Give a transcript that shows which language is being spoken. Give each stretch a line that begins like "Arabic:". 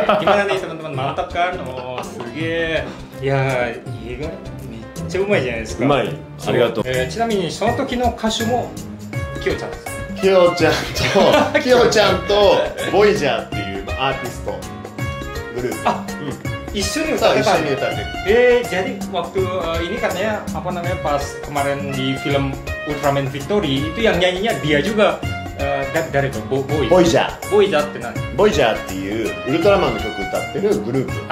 Japanese: 今ね、たまたまマタカーの、すげえ。いやー、意外、めっちゃうまいじゃないですか。うまい、ありがとう。ちなみに、その時の歌手もキヨちゃんです。キヨちゃんと、キヨちゃんとボイジャーっていうアーティストグループ。あ、うん、一緒に歌ってた。そう、一緒に歌ってた。
Indonesian: jadi waktu ini katanya apa namanya pas kemarin di film Ultraman Victory itu yang nyanyinya dia juga dari Boy
Japanese: ボイジャー。 ボイジャーって何？ボイジャーっていうウルトラマンの曲歌ってるグループ。